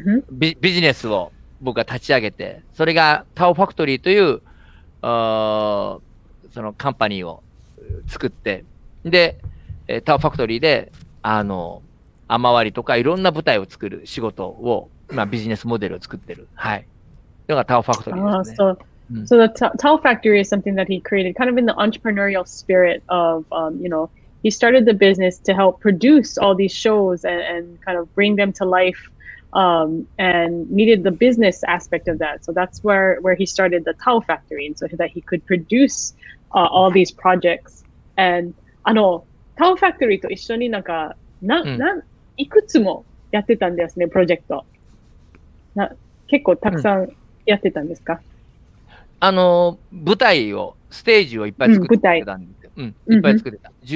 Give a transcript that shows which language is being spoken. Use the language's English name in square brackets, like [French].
[Japanese] ビジネスを僕が立ち上げて、それが Tao Factory という、そのカンパニーを、作って、で、タオファクトリーで、アマワリとかいろんな舞台を作る仕事を、まあ、ビジネスモデルを作ってる。はい。のがタオファクトリーですね。 [English] So the Tao Factory is something that he created kind of in the entrepreneurial spirit of, you know, he started the business to help produce all these shows and kind of bring them to life, and needed the business aspect of that. So that's where he started the Tao Factory, and so that he could produceall these projects. [Japanese] And あの、タオファクトリーと一緒になんか、いくつもやってたんですね、プロジェクト。結構たくさんやってたんですか？あの、舞台を、ステージをいっぱい作ってたんですよ。いっぱい作ってた。